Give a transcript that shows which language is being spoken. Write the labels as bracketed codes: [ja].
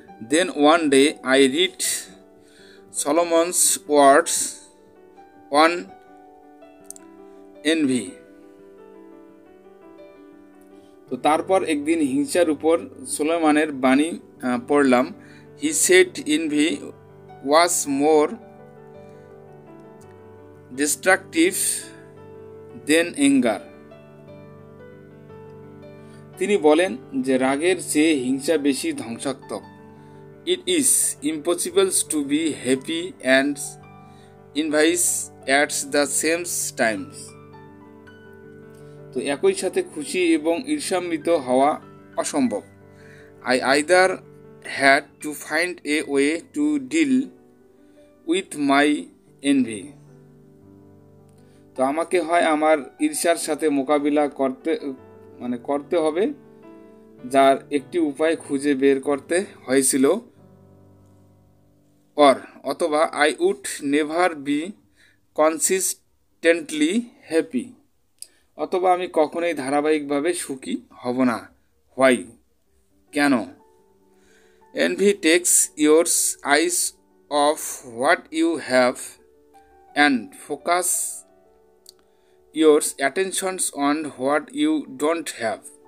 [en] then one day I read Solomon's words on envy, [bn] তো তারপর একদিন হিংসার উপর সুলেমানের বাণী পড়লাম। [en] He said envy was more destructive, then anger. [bn] তিনি বলেন যে রাগের চেয়ে হিংসা বেশি ধ্বংসাত্মক। [en] It is impossible to be happy and envious at the same time. [bn] তো একই সাথে খুশি এবং ঈর্ষান্বিত হওয়া অসম্ভব। [en] I either had to find a way to deal with my envy. [bn] তো আমাকে হয় আমার ঈর্ষার সাথে মোকাবিলা করতে মানে করতে হবে যার একটি উপায় খুঁজে বের করতে হয়েছিল [en] or [bn] অথবা [en] I would never be consistently happy [bn] অথবা আমি কখনোই ধারাবাহিকভাবে সুখী হব না [en] why [bn] কেন [en] envy takes yours eyes off what you have and focus yours attentions on what you don't have